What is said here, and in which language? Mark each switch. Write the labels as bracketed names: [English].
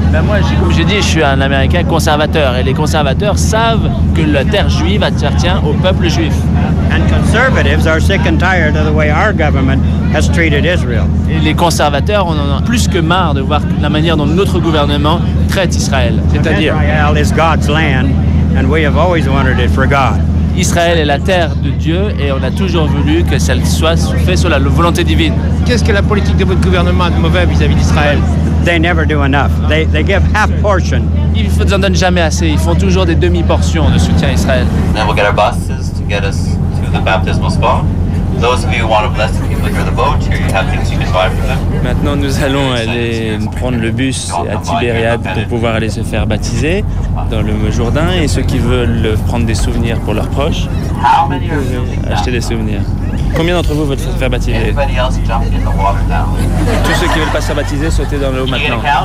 [French] Ben moi, comme j'ai dit, je suis un Américain conservateur, et les conservateurs savent que la terre juive appartient au peuple juif. [English] And conservatives are sick and tired of the way our government has treated Israel. [French] Et les conservateurs en ont plus que marre de voir la manière dont notre gouvernement traite Israël. C'est-à-dire, [English] Israel is God's land, and we have always wanted it for God. [French] Israël est la terre de Dieu et on a toujours voulu que ça soit fait sur la volonté divine. Qu'est-ce que la politique de votre gouvernement a de mauvais vis-à-vis d'Israël? [English] They never do enough. They give half portion. [French] Ils en donnent jamais assez. Ils font toujours des demi-portions de soutien à Israël. [English] Then we'll get our buses to get us to the baptismal spot. Those of you who want to bless the people here, the boat here, you have things you can buy for them. [French] Maintenant, nous allons aller prendre le bus à Tibériade pour pouvoir aller se faire baptiser dans le Jourdain. Et ceux qui veulent prendre des souvenirs pour leurs proches, acheter des souvenirs. Combien d'entre vous veulent se faire baptiser? Tous ceux qui veulent pas se faire baptiser, sautez dans l'eau maintenant.